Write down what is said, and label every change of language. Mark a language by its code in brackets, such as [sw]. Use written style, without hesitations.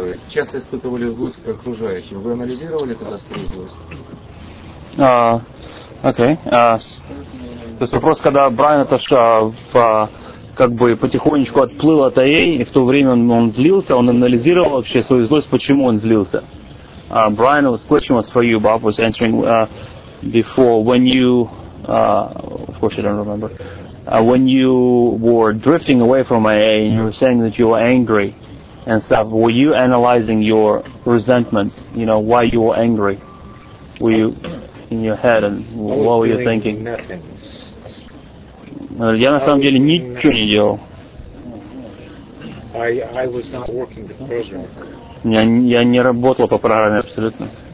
[ru] часто испытывали злость к окружающим. Вы анализировали тогда свою злость? То есть вопрос, когда Брайан потихонечку отплыл от АЭ, и в то время он злился, он анализировал вообще свою злость, почему он злился. [en] Брайан, question was for you, Bob was answering before, when you, of course I don't remember, when you were drifting away from AA and you were saying that you were angry and stuff, were you analyzing your resentments, you know, why you were angry? Were you in your head and what were you thinking? Nothing. [ru] Я на самом деле ничего не делал. [en] I was not working the program. [ru] Я не работал по программе абсолютно.